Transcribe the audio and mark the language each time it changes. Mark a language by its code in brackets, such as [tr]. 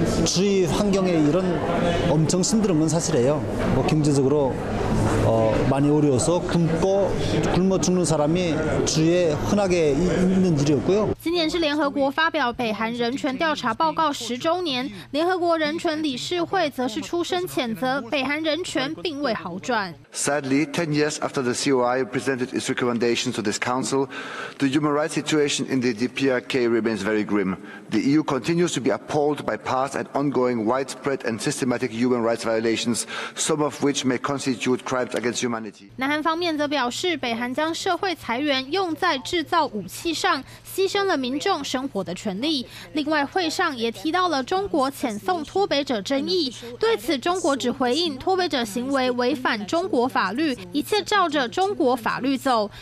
[ko] 주위환경에이런엄청힘들은건사실이에요뭐경제적으로많이어려워서굶어죽는사람이주위에흔하게있는일이었고요 [zh] 今年是联合国发表北韩人权调查报告十周年，联合国人权理事会则是出声谴责北韩人权并未好转。 [en] Sadly, 10 years after the COI presented its recommendations to this council, the human rights situation in the DPRK remains very grim. The EU continues to be appalled by past and ongoing widespread and systematic human rights violations, some of which may constitute crimes against humanity. [zh] 南韩方面则表示，北韩将社会裁员用在制造武器上，牺牲了民众生活的权利。另外，会上也提到了中国遣送脱北者争议，对此中国只回应脱北者行为违反中国法律，一切照着中国法律走。